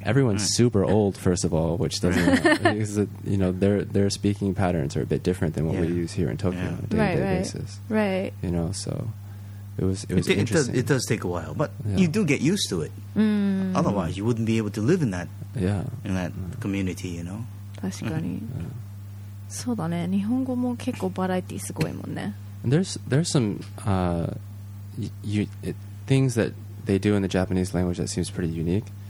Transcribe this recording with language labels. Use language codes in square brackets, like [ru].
[en] Everyone's super old, first of all, which doesn't because, you know, their speaking patterns are a bit different than what we use here in Tokyo on a day-to-day basis. Right. You know, so... It was interesting. It does take a while, but you do get used to it. Otherwise, you wouldn't be able to live in that, in that community, you know? [ja] 確かに。そうだね。日本語も結構バラエティすごいもんね。 [en] There's some things that they do in the Japanese language that seems pretty unique.